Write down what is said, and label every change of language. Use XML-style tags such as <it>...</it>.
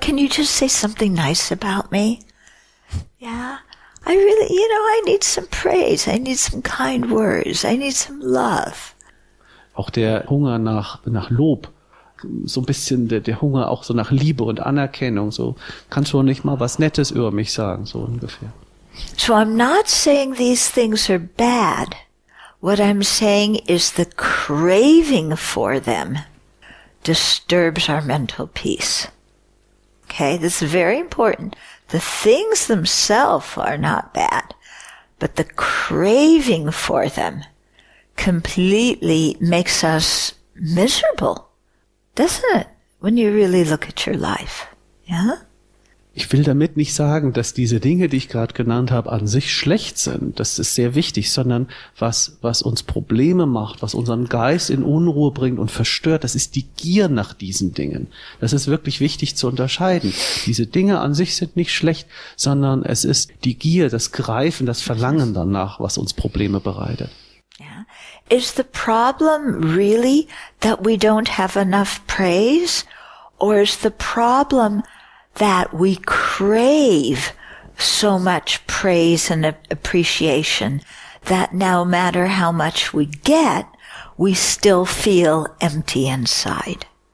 <en>Can you just say something nice about me? Yeah. I really, you know, I need some praise. I need some kind words. I need some love.</en> <de>Auch der Hunger nach Lob, so ein bisschen der Hunger auch so nach Liebe und Anerkennung. So, kannst du nicht mal was Nettes über mich sagen, so ungefähr.</de> <en>So I'm not saying these things are bad. What I'm saying is the craving for them disturbs our mental peace. Okay, this is very important. The things themselves are not bad, but the craving for them completely makes us miserable, doesn't it? When you really look at your life, yeah?</en> <de>Ich will damit nicht sagen, dass diese Dinge, die ich gerade genannt habe, an sich schlecht sind. Das ist sehr wichtig, sondern was uns Probleme macht, was unseren Geist in Unruhe bringt und verstört, das ist die Gier nach diesen Dingen. Das ist wirklich wichtig zu unterscheiden. Diese Dinge an sich sind nicht schlecht, sondern es ist die Gier, das Greifen, das Verlangen danach, was uns Probleme bereitet.</de> <en>Yeah. Is the problem really that we don't have enough praise? Or is the problem that we crave so much praise and appreciation that no matter how much we get, we still feel empty inside.</en>